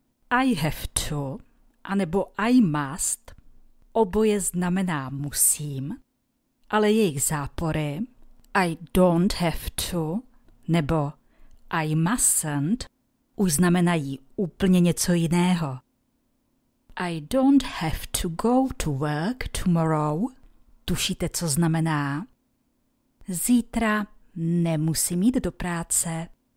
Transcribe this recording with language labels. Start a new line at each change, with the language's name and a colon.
English: I have to,
Czech: anebo
English: I must,
Czech: oboje znamená musím, ale jejich zápory,
English: I don't have to,
Czech: nebo
English: I mustn't,
Czech: už znamenají úplně něco jiného.
English: I don't have to go to work tomorrow.
Czech: Tušíte, co znamená? Zítra nemusím jít do práce.